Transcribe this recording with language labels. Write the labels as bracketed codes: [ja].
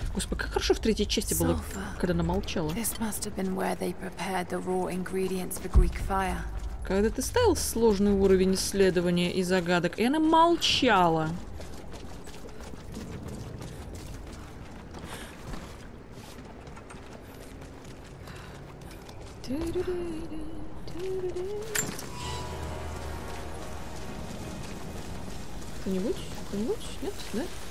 [ru] Господи, как хорошо в третьей части было, когда она молчала. [en] This must have been where they prepared the raw ingredients for Greek fire. [ru] Когда ты ставил сложный уровень исследования и загадок, и она молчала. Кто-нибудь? Нет, да?